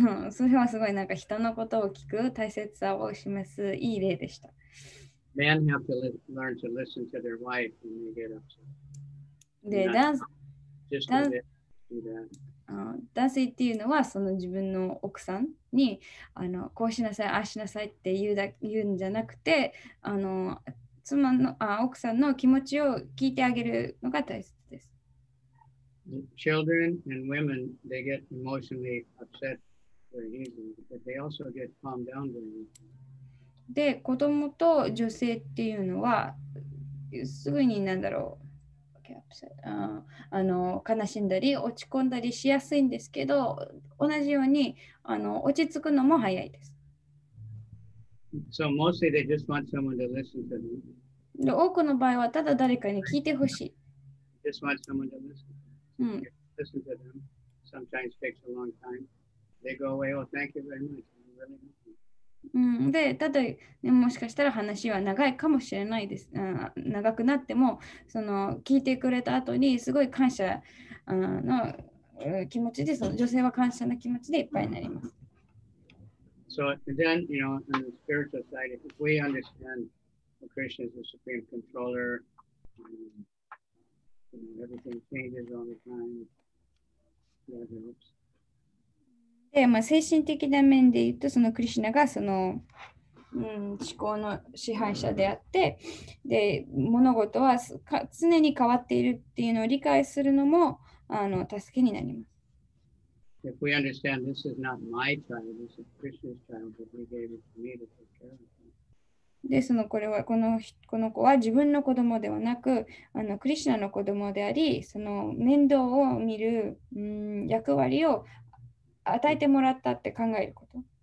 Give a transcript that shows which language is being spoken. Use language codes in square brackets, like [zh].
[ja] それはすごい、なんか人のことを聞く大切さを示すいい例でした。 [en] Men have to learn to listen to their wife when they get upset. [ja] で、男性っていうのはその自分の奥さんにあのこうしなさい、ああしなさいって言うんじゃなくて、あの妻の奥さんの気持ちを聞いてあげるのが大切です。 [en] Children and women, they get emotionally upset very easily, but they also get calmed down very easily. [ja] で、子供と女性っていうのはすぐに何だろう、あの悲しんだり落ち込んだりしやすいんですけど、同じようにあの落ち着くのも早いです。 [en] So mostly they just want someone to listen to them. [ja] で、多くの場合はただ誰かに聞いてほしい。 [en] Just want someone to listen. Listen to them. Sometimes it takes a long time. They go away. Oh, thank you very much. I'm really happy. [ja] で、ただ、ね、もしかしたら話は長いかもしれないです。長くなっても、その聞いてくれた後にすごい感謝の気持ちで、その女性は感謝の気持ちでいっぱいになります。 [en] So then, you know, on the spiritual side, if we understand that Krishna is the supreme controller, you know, everything changes all the time, that helps. [ja] でまあ、精神的な面で言うと、そのクリシュナがその、思考の支配者であって、で物事は常に変わっているっていうのを理解するのもあの助けになります。 [en] If we understand this is not my child, this is Krishna's child, but we gave it to me to take care of him. [ja] で、そのこれはこの子は自分の子供ではなく、あのクリシュナの子供であり、その面倒を見る、役割を与えてもらったって考えること。